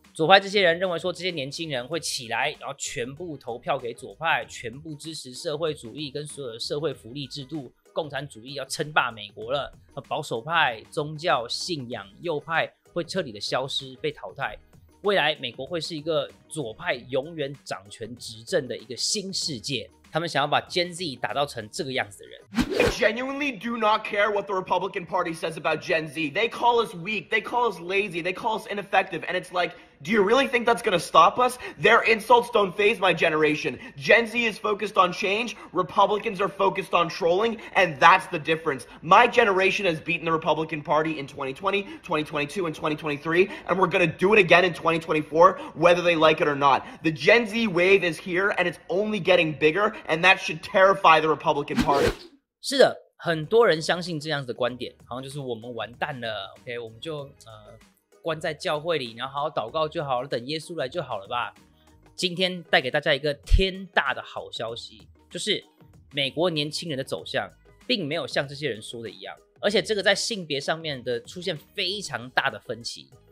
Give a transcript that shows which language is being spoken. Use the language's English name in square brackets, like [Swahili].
[Chinese] 左派这些人认为说，这些年轻人会起来，然后全部投票给左派，全部支持社会主义跟所有的社会福利制度，共产主义要称霸美国了。保守派、宗教、信仰、右派会彻底的消失，被淘汰。未来美国会是一个左派永远掌权执政的一个新世界，他们想要把 Gen Z 打造成这个样子的人。 [English] I genuinely do not care what the Republican Party says about Gen Z. They call us weak, they call us lazy, they call us ineffective, and it's like, do you really think that's gonna stop us? Their insults don't faze my generation. Gen Z is focused on change, Republicans are focused on trolling, and that's the difference. My generation has beaten the Republican Party in 2020, 2022, and 2023, and we're gonna do it again in 2024, whether they like it or not. The Gen Z wave is here, and it's only getting bigger, and that should terrify the Republican Party. [Chinese] 是的，很多人相信这样子的观点，好像就是我们完蛋了 ，OK, 我们就关在教会里，然后好好祷告就好了，等耶稣来就好了吧。今天带给大家一个天大的好消息，就是美国年轻人的走向并没有像这些人说的一样，而且这个在性别上面的出现非常大的分歧。